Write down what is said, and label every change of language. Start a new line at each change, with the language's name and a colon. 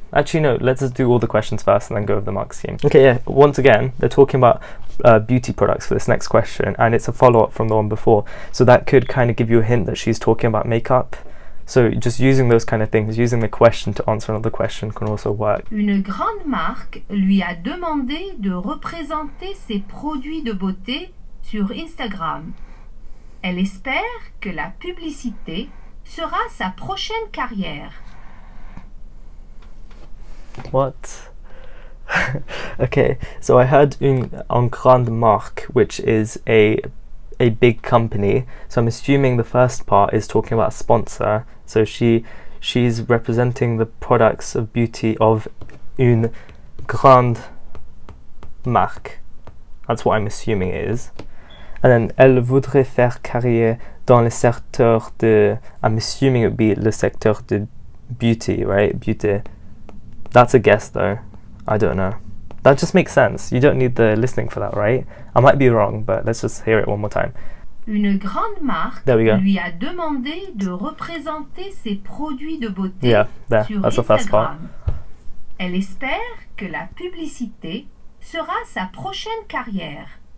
English: Actually no, let's just do all the questions first and then go over the mark scheme. Okay, yeah, once again, they're talking about beauty products for this next question, and it's a follow-up from the one before, so that could kind of give you a hint that she's talking about makeup. So just using those kind of things, using the question to answer another question, can also work.
French: Une grande marque lui a demandé de représenter ses produits de beauté sur Instagram. Elle espère que la publicité sera sa prochaine carrière.
English: What? Okay, so I heard
French: une en grande marque,
English: which is a big company. So I'm assuming the first part is talking about a sponsor. So she's representing the products of beauty of
French: une grande marque.
English: That's what I'm assuming it is. And then
French: elle voudrait faire carrière dans le secteur de...
English: I'm assuming it would be
French: le secteur de
English: beauty, right? Beauty. That's a guess though. I don't know. That just makes sense. You don't need the listening for that, right? I might be wrong, but let's just hear it one more time.
French: Une grande marque,
English: there we go,
French: lui a demandé de représenter ses produits de beauté,
English: yeah, there,
French: sur
English: that's
French: Instagram.
English: The first part.
French: Elle espère que la publicité sera sa prochaine carrière.